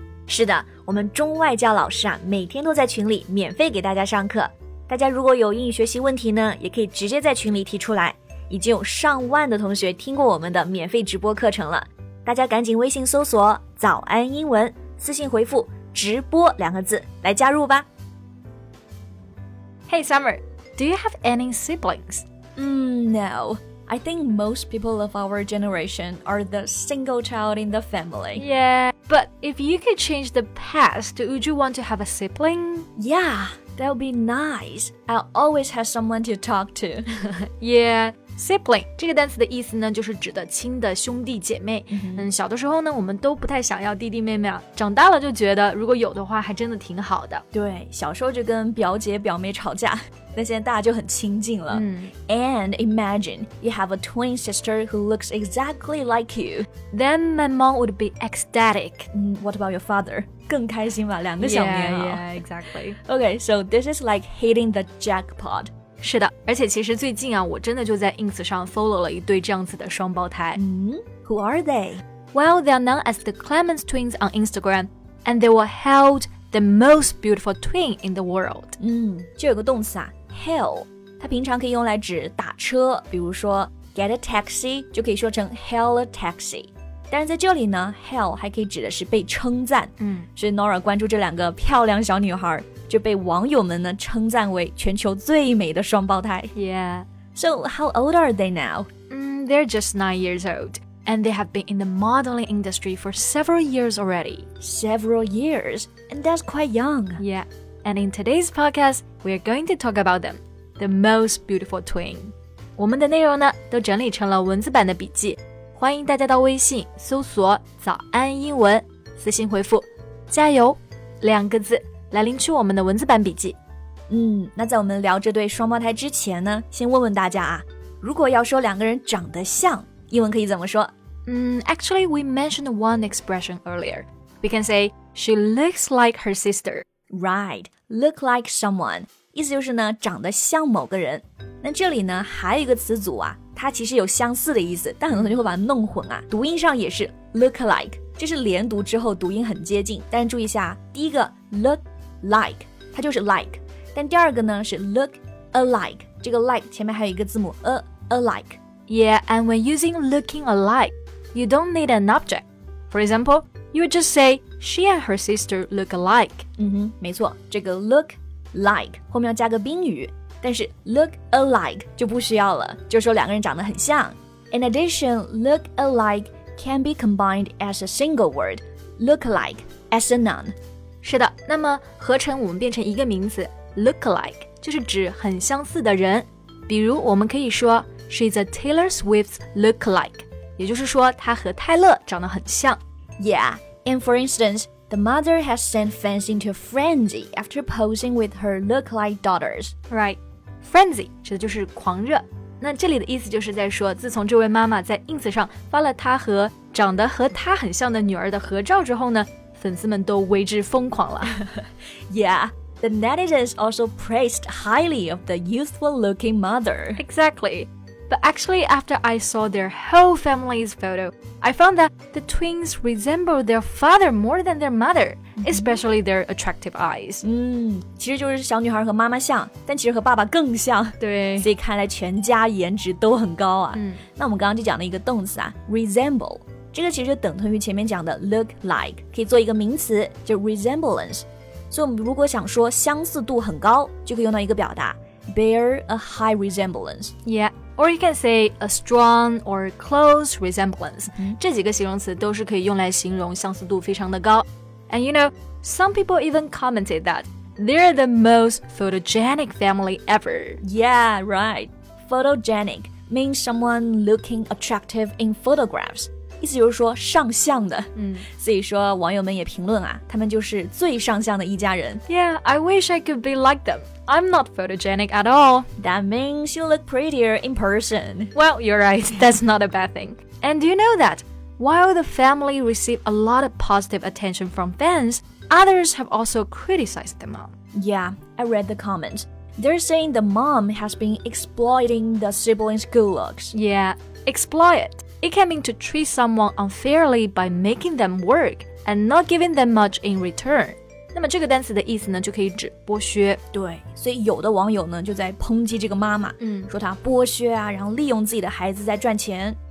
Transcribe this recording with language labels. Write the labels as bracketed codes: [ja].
[zh] 是的，我们中外教老师啊每天都在群里免费给大家上课，大家如果有英语学习问题呢，也可以直接在群里提出来，已经有上万的同学听过我们的免费直播课程了，大家赶紧微信搜索早安英文，私信回复直播两个字来加入吧。 [en] Hey Summer, do you have any siblings? No. I think most people of our generation are the single child in the family. Yeah, but if you could change the past, would you want to have a sibling? Yeah, that would be nice. I'll always have someone to talk to. Yeah. [zh] Sibling 这个单词的意思呢，就是指的亲的兄弟姐妹。 Mm-hmm. 嗯，小的时候呢，我们都不太想要弟弟妹妹啊。长大了就觉得，如果有的话，还真的挺好的。对，小时候就跟表姐表妹吵架，那现在大就很亲近了。嗯、 [en] And imagine you have a twin sister who looks exactly like you. Then my mom would be ecstatic. What about your father? [zh] 更开心吧，两个小棉袄。 [en] Yeah, exactly. Okay, so this is like hitting the jackpot. [zh] 是的，而且其实最近啊，我真的就在 Ins 上 follow 了一对这样子的双胞胎。 [en] Who are they? Well, they are known as the Clemens twins on Instagram, and they were held the most beautiful twin in the world. [zh] 就有个动词啊 ,hail, 它平常可以用来指打车，比如说 [en] get a taxi, [zh] 就可以说成 [en] hail a taxi。 [zh] 但是在这里呢 ,hail 还可以指的是被称赞。所以 Nora 关注这两个漂亮小女孩。就被网友们呢称赞为全球最美的双胞胎。 [en] Yeah. So, how old are they now? They're just 9 years old. And they have been in the modeling industry for several years already. Several years? And that's quite young. Yeah. And in today's podcast, we're going to talk about them. The most beautiful twin. [zh] 我们的内容呢都整理成了文字版的笔记。欢迎大家到微信搜索早安英文。私信回复加油两个字。来领取我们的文字版笔记。那在我们聊这对双胞胎之前呢，先问问大家啊，如果要说两个人长得像，英文可以怎么说？ [en] Actually, we mentioned one expression earlier. We can say, she looks like her sister. Right, look like someone. [zh] 意思就是呢，长得像某个人。那这里呢，还有一个词组啊，它其实有相似的意思，但很多同学会把它弄混啊，读音上也是 look like。这是连读之后读音很接近，但是注意一下，第一个 look like 它就是 like， 但第二个呢是 look alike， 这个 like 前面还有一个字母 alike。 [en] Yeah, and when using looking alike, you don't need an object. For example, you would just say she and her sister look alike. [zh] 没错，这个 look like 后面要加个宾语，但是 look alike 就不需要了，就说两个人长得很像。 [en] In addition, look alike. Can be combined as a single word, look alike as a noun. [zh] 是的，那么合成我们变成一个名词 look alike 就是指很相似的人。比如我们可以说 [en] she's a Taylor Swift's look alike， [zh] 也就是说她和泰勒长得很像。 [en] Yeah, and for instance, the mother has sent fans into a frenzy after posing with her look alike daughters. Right, frenzy 指的就是狂热。那这里的意思就是在说，自从这位妈妈在 Ins 上发了她和长得和她很像的女儿的合照之后呢，粉丝们都为之疯狂了。 Yeah, the netizens also praised highly of the youthful looking mother. Exactly. But actually, after I saw their whole family's photo, I found that the twins resemble their father more than their mother, especially their attractive eyes. [zh] 其实就是小女孩和妈妈像，但其实和爸爸更像。对，所以看来全家颜值都很高啊。那我们刚刚就讲了一个动词啊 ，resemble， 这个其实等同于前面讲的 look like， 可以做一个名词，就 resemblance。所以我们如果想说相似度很高，就可以用到一个表达 bear a high resemblance。 [en] Yeah. Or you can say a strong or close resemblance. [zh] 这几个形容词都是可以用来形容相似度非常的高。 [en] And you know, some people even commented that They're the most photogenic family ever. Yeah, right. Photogenic means someone looking attractive in photographs. [zh] 意思就是说上相的。所以说网友们也评论啊，他们就是最上相的一家人。 [en] Yeah, I wish I could be like them. I'm not photogenic at all. That means you look prettier in person. Well, you're right. That's not a bad thing. And do you know that? While the family received a lot of positive attention from fans, others have also criticized the mom. Yeah, I read the comments. They're saying the mom has been exploiting the siblings' good looks. Yeah, exploit. It can mean to treat someone unfairly by making them work and not giving them much in return. [zh] 那么这个单词的意思呢，就可以指剥削。对，所以有的网友呢，就在抨击这个妈妈，说她剥削啊，然后利用自己的孩子在赚钱。